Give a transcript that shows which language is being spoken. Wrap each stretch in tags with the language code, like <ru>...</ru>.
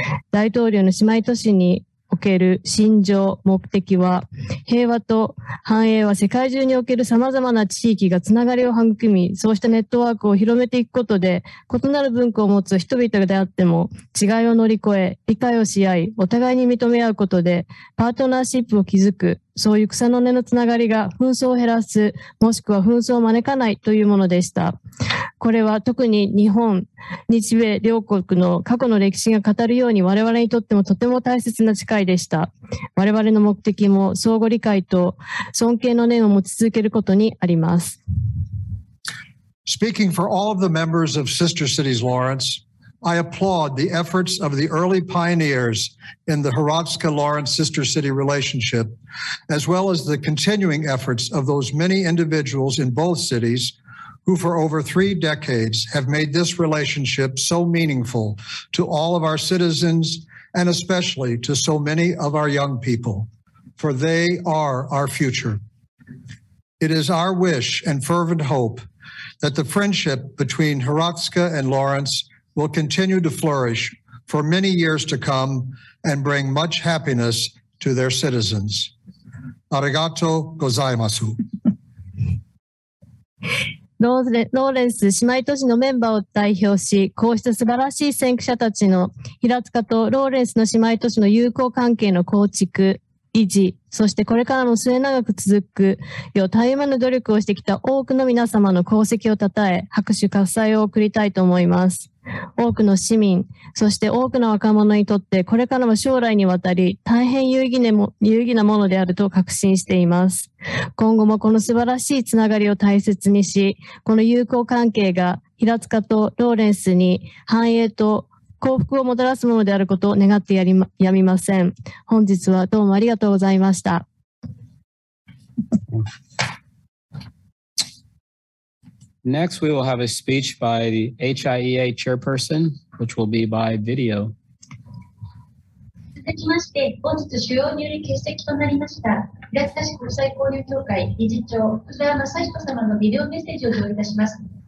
<ja>大統領の姉妹都市における心情目的は、平和と繁栄は世界中における様々な地域がつながりを育み、そうしたネットワークを広めていくことで、異なる文化を持つ人々であっても違いを乗り越え、理解をし合い、お互いに認め合うことでパートナーシップを築く、そういう草の根のつながりが紛争を減らす、もしくは紛争を招かないというものでした。これは特に日本、日米両国の過去の歴史が語るように、我々にとってもとても大切な誓いでした。我々の目的も相互理解と尊敬の念を持ち続けることにあります。</ja> <en>Speaking for all of the members of Sister Cities Lawrence, I applaud the efforts of the early pioneers in the Hrvatska-Lawrence Sister City relationship, as well as the continuing efforts of those many individuals in both cities who for over three decades have made this relationship so meaningful to all of our citizens and especially to so many of our young people, for they are our future. It is our wish and fervent hope that the friendship between Hrvatska and Lawrence will continue to flourish for many years to come and bring much happiness to their citizens.</en> <ja>Arigato gozaimasu. ローレンス姉妹都市のメンバーを代表し、こうした素晴らしい先駆者たちの平塚とローレンスの姉妹都市の友好関係の構築、維持、そしてこれからも末永く続くよう、たゆまぬ努力をしてきた多くの皆様の功績をたたえ、拍手喝采を送りたいと思います。多くの市民、そして多くの若者にとって、これからも将来にわたり大変有意義なものであると確信しています。今後もこの素晴らしいつながりを大切にし、この友好関係が平塚とローレンスに繁栄と幸福をもたらすものであることを願ってやみません。本日はどうもありがとうございました。</ja> <en>Next, we will have a speech by the HIEA chairperson, which will be by video.</en> <ja>続きまして、本日主要により欠席となりました、平塚市国際交流協会理事長、福沢雅彦様のビデオメッセージを上映いたします。</ja>